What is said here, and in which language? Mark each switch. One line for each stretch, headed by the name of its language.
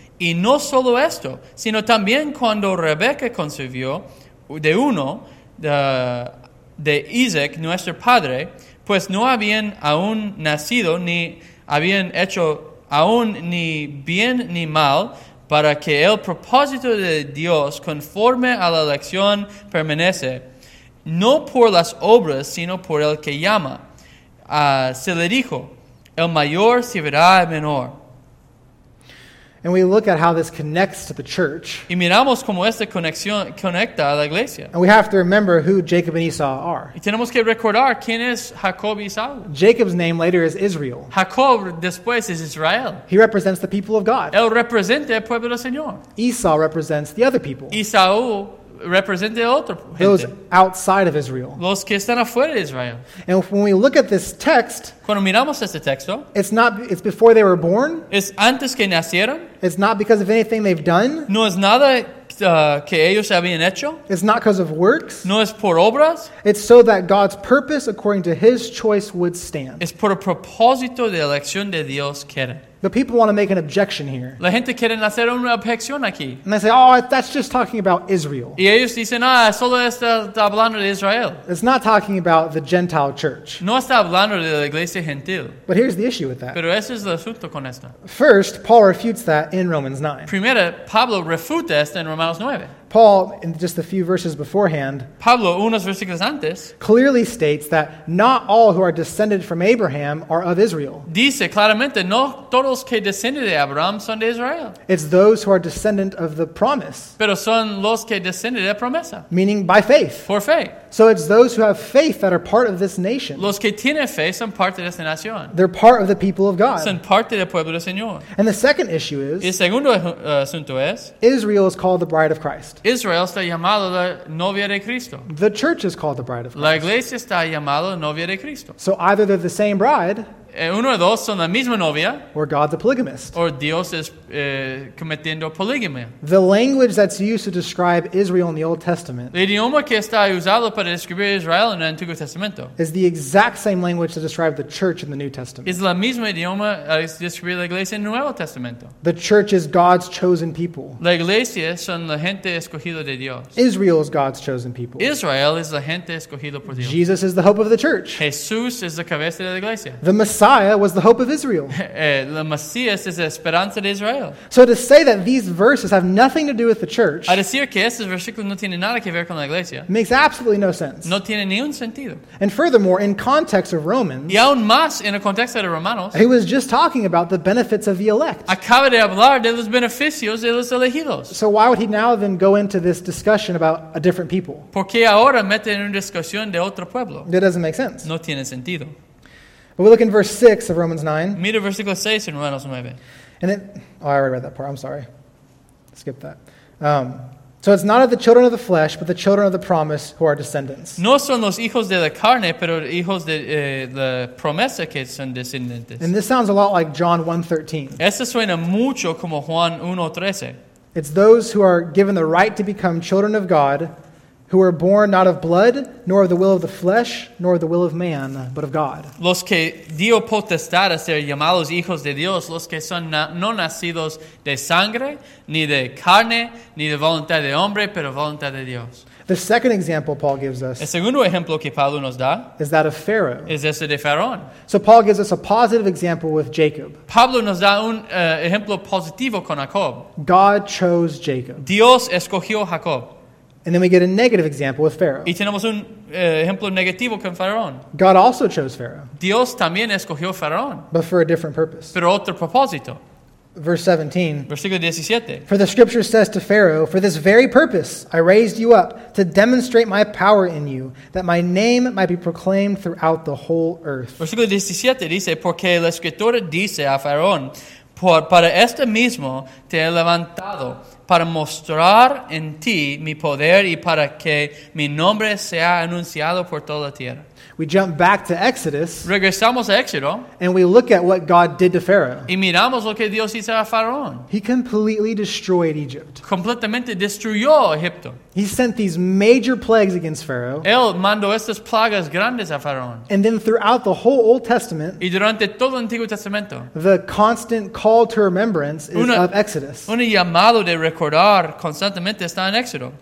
Spanish: Y no solo esto, sino también cuando Rebeca concibió de uno, de Isaac, nuestro padre, pues no habían aún nacido, ni habían hecho aún ni bien ni mal, para que el propósito de Dios conforme a la elección permanece, no por las obras, sino por el que llama. Se le dijo, el mayor servirá al menor.
English: And we look at how this connects to the church.
Spanish: Y miramos cómo esta conexión conecta a la iglesia.
English: And we have to remember who Jacob and Esau are.
Spanish: Y tenemos que recordar quién es Jacob y Esau.
English: Jacob's name later is Israel.
Spanish: Jacob después
English: is
Spanish: Israel.
English: He represents the people of God.
Spanish: Él representa el pueblo del Señor.
English: Esau represents the other people.
Spanish: Esau representa otro gente.
English: Those outside of Israel.
Spanish: Los que están afuera de Israel.
English: And when we look at this text,
Spanish: cuando miramos este texto,
English: it's before they were born.
Spanish: Es antes que nacieron.
English: It's not because of anything they've done.
Spanish: No es nada que ellos habían hecho.
English: It's not because of works.
Spanish: No es por obras.
English: It's so that God's purpose according to his choice would stand.
Spanish: Es por el propósito de elección de Dios que era.
English: The people want to make an objection here.
Spanish: La gente quiere hacer una objeción aquí.
English: And they say, oh, that's just talking about Israel.
Spanish: Y ellos dicen, ah, solo está hablando de Israel.
English: It's not talking about the Gentile church.
Spanish: No está hablando de la iglesia gentil.
English: But here's the issue with that.
Spanish: Pero ese es el asunto con esto.
English: First, Paul refutes that in Romans 9.
Spanish: Primero, Pablo refuta esto en Romanos 9.
English: Paul, in just a few verses beforehand,
Spanish: Pablo, unos versículos antes,
English: clearly states that not all who are descended from Abraham are of Israel.
Spanish: Dice claramente, no todos que descienden de Abraham son de Israel.
English: It's those who are descendant of the promise.
Spanish: Pero son los que descienden de la promesa.
English: Meaning by faith.
Spanish: Por fe.
English: So it's those who have faith that are part of this nation.
Spanish: Los que tienen fe son parte de esta nación.
English: They're part of the people of God.
Spanish: Son parte del pueblo del Señor.
English: And the second issue is,
Spanish: el segundo asunto es,
English: Israel is called the bride of Christ.
Spanish: Israel está llamado la novia de Cristo.
English: The church is called the bride of Christ.
Spanish: La iglesia está llamada la novia de Cristo.
English: So either they're the same bride,
Spanish: uno o dos son la misma novia,
English: or God's a polygamist, or
Spanish: Dios es cometiendo poligamia.
English: The language that's used to describe Israel in the Old Testament,
Spanish: el idioma que está usado para describir Israel en el Antiguo Testamento,
English: is the exact same language to describe the church in the New Testament.
Spanish: Es la misma idioma que describe la iglesia en el Nuevo Testamento.
English: The church is God's chosen people.
Spanish: La iglesia son la gente escogida de Dios.
English: Israel is God's chosen people.
Spanish: Israel es la gente escogida por Dios.
English: Jesus is the hope of the church.
Spanish: Jesús es la cabeza de la iglesia.
English: The Messiah was the hope of Israel.
Spanish: La Mesías es la esperanza de Israel.
English: So to say that these verses have nothing to do with the church,
Spanish: a decir que estos versículos no tienen nada que ver con la iglesia,
English: makes absolutely no sense.
Spanish: No tiene ni un sentido.
English: And furthermore, in context of Romans,
Spanish: y aún más en el contexto de Romanos,
English: he was just talking about the benefits of the elect.
Spanish: Acaba de hablar de los beneficios de los elegidos.
English: So why would he now then go into this discussion about a different people?
Spanish: ¿Por qué ahora mete en una discusión de otro pueblo?
English: That doesn't make sense.
Spanish: No tiene sentido.
English: But we look in verse 6 of Romans 9.
Spanish: Mira versículo 6 en Romanos 9.
English: I already read that part. I'm sorry. Skip that. So it's not of the children of the flesh, but the children of the promise who are descendants.
Spanish: No son los hijos de la carne, pero hijos de la promesa que son descendientes.
English: And this sounds a lot like John 1:13.
Spanish: Eso suena mucho como Juan 1:13.
English: It's those who are given the right to become children of God, who were born not of blood, nor of the will of the flesh, nor of the will of man, but of God.
Spanish: Los que dio potestad a ser llamados hijos de Dios, los que son no nacidos de sangre, ni de carne, ni de voluntad de hombre, pero voluntad de Dios.
English: The second example Paul gives us,
Spanish: el segundo ejemplo que Pablo nos da,
English: is that of Pharaoh.
Spanish: Es ese de Faraón.
English: So Paul gives us a positive example with Jacob.
Spanish: Pablo nos da un ejemplo positivo con Jacob.
English: God chose Jacob.
Spanish: Dios escogió Jacob.
English: And then we get a negative example with Pharaoh.
Spanish: Y tenemos un ejemplo negativo con Faraón.
English: God also chose Pharaoh.
Spanish: Dios también escogió Faraón.
English: But for a different purpose.
Spanish: Pero otro propósito.
English: Verse 17.
Spanish: Versículo 17.
English: For the scripture says to Pharaoh, "For this very purpose I raised you up, to demonstrate my power in you, that my name might be proclaimed throughout the whole earth."
Spanish: Versículo 17 dice, "Porque la escritura dice a Faraón, para este mismo te he levantado, para mostrar en ti mi poder y para que mi nombre sea anunciado por toda la tierra."
English: We jump back to Exodus.
Spanish: Regresamos a Éxodo.
English: And we look at what God did to Pharaoh.
Spanish: Y miramos lo que Dios hizo a Faraón.
English: He completely destroyed Egypt.
Spanish: Completamente destruyó Egipto.
English: He sent these major plagues against Pharaoh.
Spanish: Él mandó estas plagas grandes a Faraón.
English: And then throughout the whole Old Testament,
Spanish: y durante todo el Antiguo Testamento,
English: the constant call to remembrance is of Exodus.
Spanish: Un llamado de recordar constantemente está en Éxodo.